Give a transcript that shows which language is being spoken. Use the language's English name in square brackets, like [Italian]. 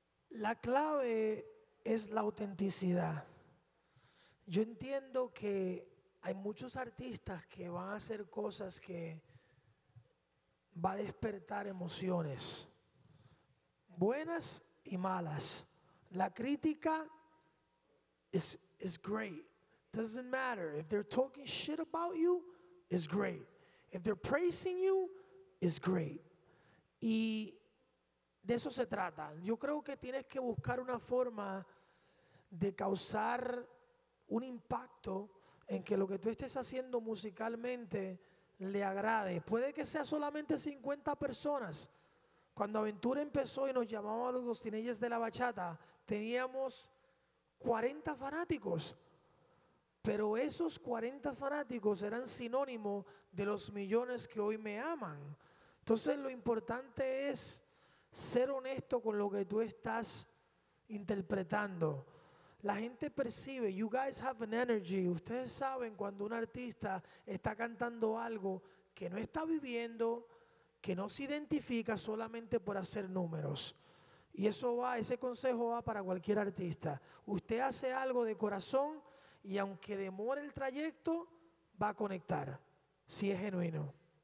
[Spanish] La clave es la autenticidad. Yo entiendo que hay muchos artistas que van a hacer cosas que va a despertar emociones, buenas y malas. La crítica... [English] It's great. Doesn't matter. If they're talking shit about you, it's great. If they're praising you, it's great. [Spanish] Y de eso se trata. Yo creo que tienes que buscar una forma de causar un impacto en que lo que tú estés haciendo musicalmente le agrade. Puede que sea solamente 50 personas. Cuando Aventura empezó y nos llamamos a los Dostineyes de la Bachata, teníamos 40 fanáticos, pero esos 40 fanáticos eran sinónimo de los millones que hoy me aman. Entonces, lo importante es ser honesto con lo que tú estás interpretando. La gente percibe, [English] you guys have an energy. [Spanish] Ustedes saben cuando un artista está cantando algo que no está viviendo, que no se identifica solamente por hacer números. Y eso va, ese consejo va para cualquier artista. Usted hace algo de corazón y aunque demore el trayecto, va a conectar, si es genuino.